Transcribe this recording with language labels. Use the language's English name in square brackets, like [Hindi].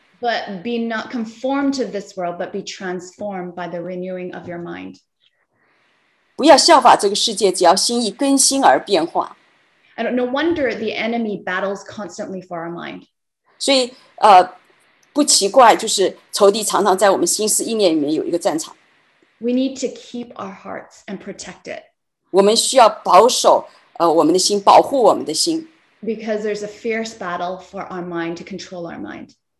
[English] But be not conformed to this world, but be transformed by the renewing of your mind. [Chinese] 不要效法这个世界，只要心意更新而变化。 [English] And no wonder the enemy battles constantly for our mind. [Chinese] 所以不奇怪，就是仇敌常常在我们心思意念里面有一个战场。 [English] We need to keep our hearts and protect it. [Chinese] 我们需要保守我们的心，保护我们的心。 [English] Because there's a fierce battle for our mind to control our mind.